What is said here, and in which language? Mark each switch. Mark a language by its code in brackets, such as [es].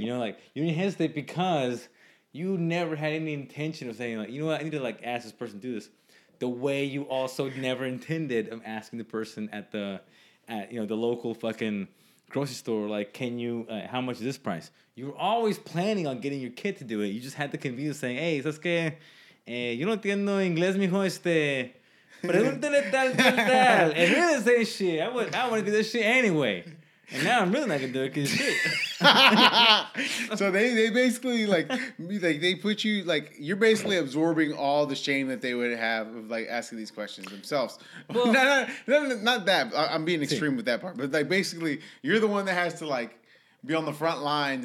[en] You know, like, you didn't hesitate because you never had any intention of saying, like, you know what, I need to, like, ask this person to do this. The way you also never intended of asking the person at you know, the local fucking grocery store, like, can you, how much is this price? You were always planning on getting your kid to do it. You just had the convenience saying, hey, [es] ¿sabes qué? Yo no entiendo inglés, mijo, pregúntale tal, tal, tal. [en] And really say shit. I want to do this shit anyway. And now I'm really not going to do it because shit. So they basically, like they put you, like, you're basically absorbing all the shame that they would have of, like, asking these questions themselves. Well, not that. I'm being extreme with that part. But, like, basically, you're the one that has to, like, be on the front lines.